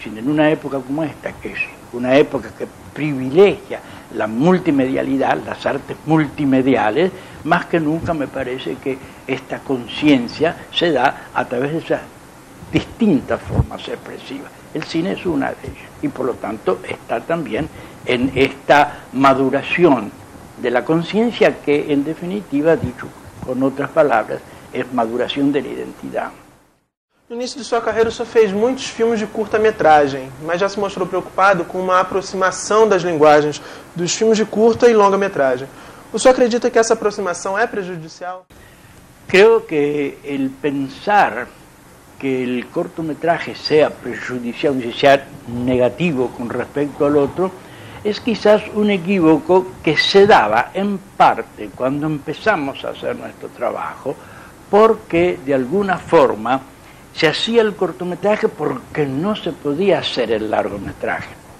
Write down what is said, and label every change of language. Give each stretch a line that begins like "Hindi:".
Spanish: Y en una época como esta, que es una época que privilegia la multimedialidad, las artes multimediales, más que nunca me parece que esta conciencia se da a través de esas distintas formas expresivas. El cine es una de ellas y por lo tanto está también en esta maduración de la conciencia que en definitiva, dicho con otras palabras, es maduración de la identidad.
Portuguese: No início de sua carreira, o senhor fez muitos filmes de curta-metragem, mas já se mostrou preocupado com uma aproximação das linguagens dos filmes de curta e longa-metragem. O senhor acredita que essa aproximação é prejudicial?
Spanish: Creo que el pensar que el cortometraje sea prejudicial, que sea negativo con respecto al otro, es quizás un equívoco que se daba en parte cuando empezamos a hacer nuestro trabajo, porque de alguna forma se hacía el cortometraje porque no se podía hacer el largometraje.